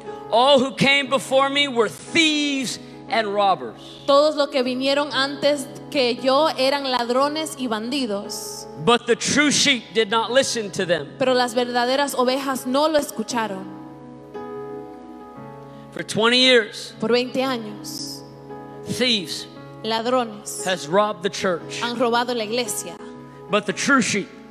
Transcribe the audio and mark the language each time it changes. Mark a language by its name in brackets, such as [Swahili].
[English] All who came before me were thieves and robbers. [Spanish] Todos los que vinieron antes que yo eran ladrones y bandidos. [English] But the true sheep did not listen to them. [Spanish] Pero las verdaderas ovejas no lo escucharon. [English] For 20 years. [Spanish] Por 20 años. [English] Thieves. [Spanish] Ladrones [English] has robbed the church. [Spanish] Han robado la iglesia. [English] But the true sheep.